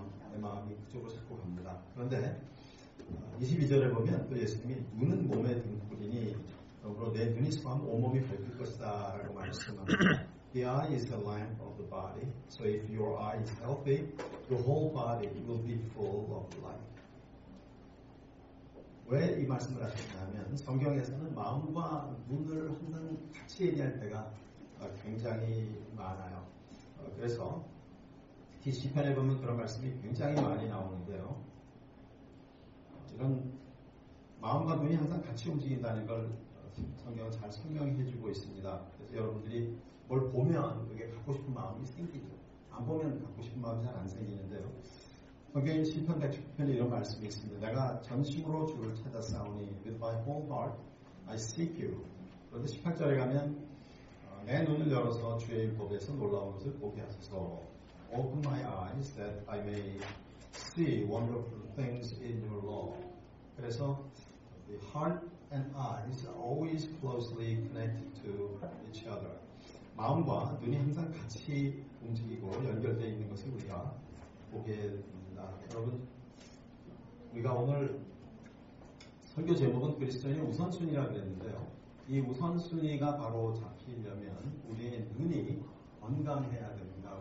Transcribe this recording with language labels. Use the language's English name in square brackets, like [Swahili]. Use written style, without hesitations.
[Korean] 내 마음이 그쪽으로 자꾸 갑니다. 그런데 22절에 보면 또 예수님이 눈은 몸의 등불이니 더불어 내 눈이 수고한 온몸이 밝힐 것이다 라고 말씀합니다. [English] The eye is the lamp of the body. So if your eye is healthy, the whole body will be full of light. [Korean] 왜 이 말씀을 하셨냐면 성경에서는 마음과 눈을 항상 같이 얘기할 때가 굉장히 많아요. 그래서 특히 시편에 보면 그런 말씀이 굉장히 많이 나오는데요. 이런 마음과 눈이 항상 같이 움직인다는 걸 성경은 잘 설명해주고 있습니다. 그래서 여러분들이 뭘 보면 그게 갖고 싶은 마음이 생기죠. 안 보면 갖고 싶은 마음이 잘 안 생기는데요. 성경의 시편 119편에 이런 말씀이 있습니다. 내가 전심으로 주를 찾아 싸우니 [English] With my whole heart I seek you. [Korean] 그런데 18절에 가면 내 눈을 열어서 주의 율법에서 놀라운 것을 보게 하소서. [English] Open my eyes that I may see wonderful things in your law. [Korean] 그래서 [English] the heart and eyes are always closely connected to each other. [Korean] 마음과 눈이 항상 같이 움직이고 연결되어 있는 것을 우리가 보게 됩니다. 여러분, 우리가 오늘 설교 제목은 그리스도인의 우선순위라고 했는데요. 이 우선순위가 바로 잡히려면 우리의 눈이 건강해야 됩니다.